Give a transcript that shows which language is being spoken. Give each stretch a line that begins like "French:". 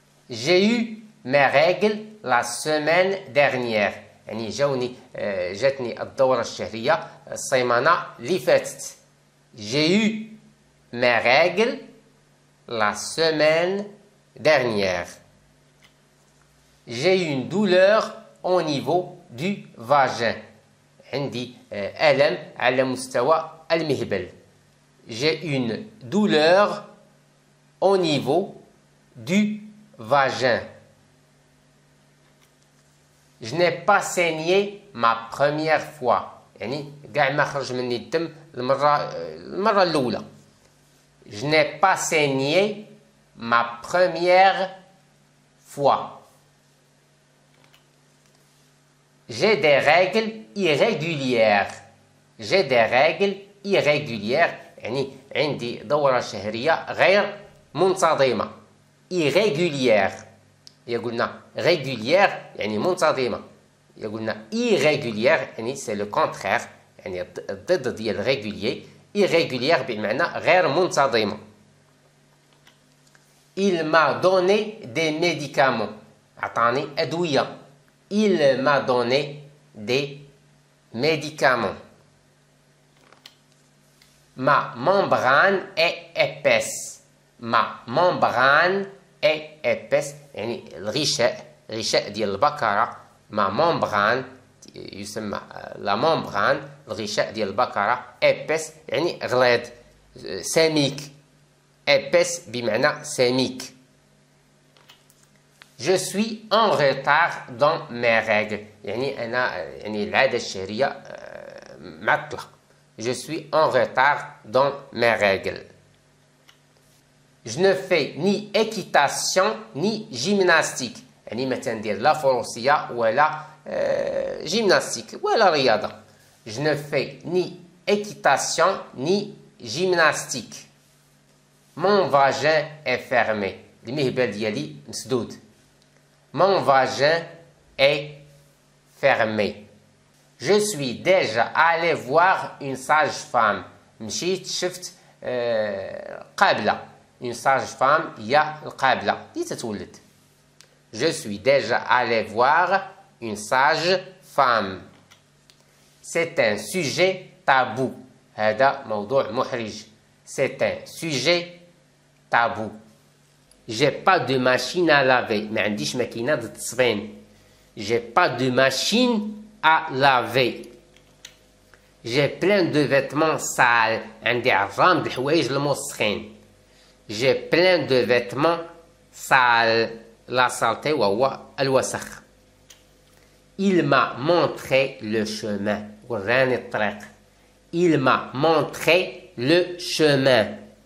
French: جي يو ما ريغل لا سيمين ديرنيير،
Arabic: يعني جاوني جاتني الدوره الشهريه السيمانه اللي فاتت.
French: جي يو ما ريغل لا سيمين ديرنيير. J'ai une douleur au niveau du vagin.
Arabic: عندي ألم على مستوى المهبل.
French: J'ai une douleur au niveau du vagin. Je n'ai pas saigné ma première fois.
Arabic: يعني كاع ما خرج مني الدم المرة الأولى.
French: Je n'ai pas saigné ma première fois. J'ai des règles irrégulières. J'ai des règles irrégulières.
Arabic: يعني عندي دورة شهرية غير منتظمة.
French: Irrégulière.
Arabic: يقولنا régulière يعني منتظمة. يقولنا irrégulière يعني
French: c'est le contraire.
Arabic: يعني ضد ديال régulier. Irrégulière بمعنى غير منتظمة.
French: Il m'a donné des médicaments.
Arabic: أعطاني أدوية.
French: Il m'a donné des médicaments. Ma membrane est épaisse. Ma membrane est épaisse.
Arabic: يعني الريشة ديال البكرة. Ma membrane يسمى la membrane الريشة ديال البكرة épaisse يعني غليظ سميك. Épaisse بمعنى سميك.
French: Je suis en retard dans mes règles.
Arabic: يعني انا يعني العاده الشهريه معطله.
French: Je suis en retard dans mes règles. Je ne fais ni équitation ni gymnastique.
Arabic: يعني ما تندير لا فروسيه ولا gymnastique ولا رياضه.
French: Je ne fais ni équitation ni gymnastique. Mon vagin est fermé.
Arabic: المهبل ديالي مسدود.
French: Mon vagin est fermé. Je suis déjà allé voir une sage-femme.
Arabic: مشيت شفت قابلة. Une sage-femme يا القابلة اللي تتولد.
French: Je suis déjà allé voir une sage-femme. C'est un sujet tabou.
Arabic: هذا موضوع محرج.
French: C'est un sujet tabou. J'ai pas de machine à laver.
Arabic: ما عنديش ماكينة تصبين.
French: J'ai pas de machine à laver. J'ai plein de vêtements sales.
Arabic: عندي عظام د الحوايج الموسخين.
French: J'ai plein de vêtements sales. La saleté
Arabic: وهو الوسخ.
French: Il m'a montré le chemin.
Arabic: وراني الطريق.
French: Il m'a montré le chemin.